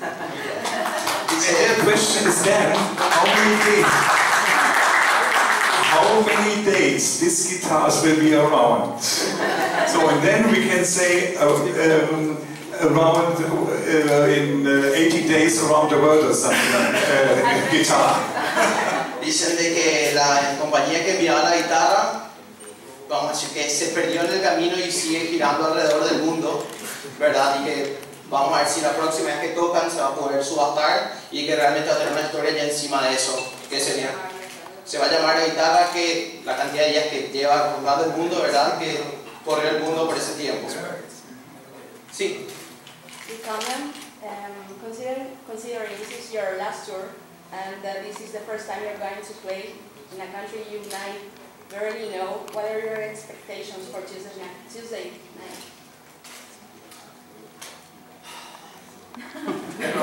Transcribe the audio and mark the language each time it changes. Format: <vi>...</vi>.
<en>The real question is then, how many days these guitars will be around? So and then we can say in 80 days around the world or something like guitar.</en> <es>Dicen de que la compañía que enviaba la guitarra, vamos a decir que se perdió en el camino y sigue girando alrededor del mundo, ¿verdad? Y que vamos a ver si la próxima vez que tocan se va a poder subastar y que realmente va a tener una historia ya encima de eso. ¿Qué sería? Se va a llamar la guitarra que la cantidad de días que lleva rondando el mundo, ¿verdad? Que corrió el mundo por ese tiempo. Sí.</es> <en>Considering this is your last tour and that this is the first time you're going to play in a country you might barely know, what are your expectations for Tuesday night?</en>